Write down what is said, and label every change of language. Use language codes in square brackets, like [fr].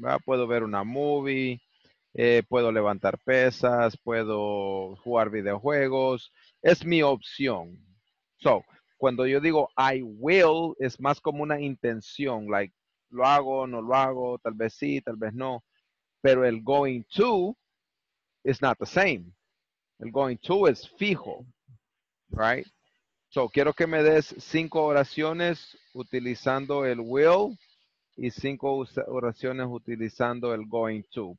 [es] Puedo ver una movie, puedo levantar pesas, puedo jugar videojuegos. Es mi opción. So, cuando yo digo [en] I will, [es] es más como una intención, like, lo hago, no lo hago, tal vez sí, tal vez no. Pero el [en] going to is not the same. [es] El going to es fijo, [en] right? [es] So, quiero que me des 5 oraciones utilizando el will y 5 oraciones utilizando el going to.